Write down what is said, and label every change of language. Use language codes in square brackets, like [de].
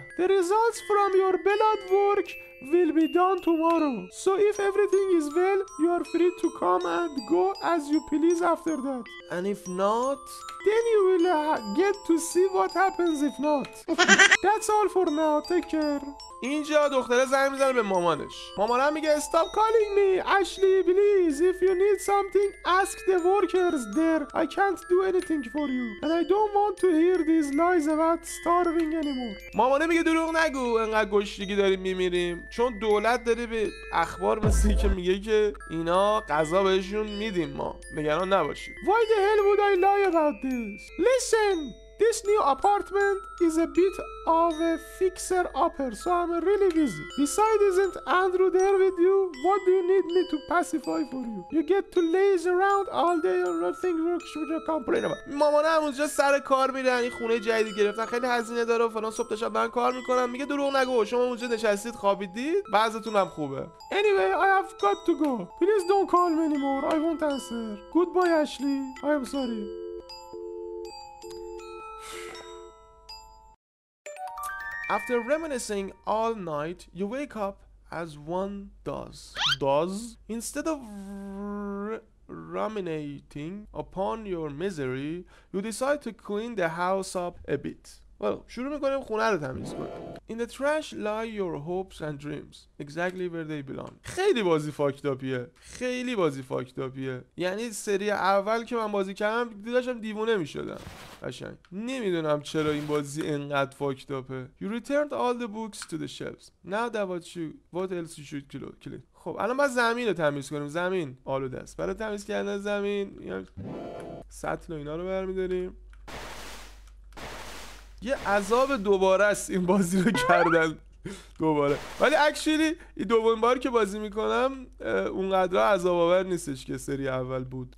[en] The results from your blood work will be done tomorrow. So if everything is well, you are free to come and go as you please after that. And if not? Then you will get to see what happens if not. That's all for now. Take care. [fa] اینجا دختره زنگ میزنه به مامانش. مامانم میگه [en] Stop calling me, Ashley, please. If you need something, ask the workers there. I can't do anything for you. And I don't want to hear these lies about starving anymore. [fa] مامانه میگه دروغ نگو. انقدر گشنگی داریم میمیریم. چون دولت داره به اخبار مثل که میگه که اینا غذا بهشون میدیم ما. نگران نباشید. [en] Why the hell would I lie about this? Listen! This new apartment is a bit of a fixer-upper, so I'm really busy. Besides, isn't Andrew there with you? What do you need me to pacify for you? You get to laze around all day and nothing works with your complaint about. [fa] مامانه همونجا سر کار میرن، این خونه جدید گرفتن، خیلی هزینه داره و فلان، صبح تا شب من کار میکنم. میگه دروغ نگو، شما اونجا نشستید خوابیدید، بعضتون هم خوبه. [en] Anyway, I have got to go. Please don't call me anymore. I won't answer. Goodbye, Ashley. I'm sorry. After reminiscing all night, you wake up as one does. Does? Instead of ruminating upon your misery, you decide to clean the house up a bit. [fa] Well, شروع میکنیم خونه رو تمیز کنیم. [en] In the trash lie your hopes and dreams, exactly where they belong. [fa] خیلی بازی فاکتاپیه. خیلی بازی فاکتاپیه. یعنی سری اول که من بازی کردم داشتم دیوونه میشدم. قشنگ. نمیدونم چرا این بازی انقدر فاکتاپه. [en] You returned all the books to the shelves. Now that what else you should clean. [fa] خب الان باید زمین رو تمیز کنیم. زمین آلوده است. برای تمیز کردن زمین سطل و اینا رو برمی‌داریم. یه عذاب دوباره است این بازی رو کردن دوباره. ولی اکچولی این دومین بار که بازی میکنم اونقدر عذاب آور نیستش که سری اول بود.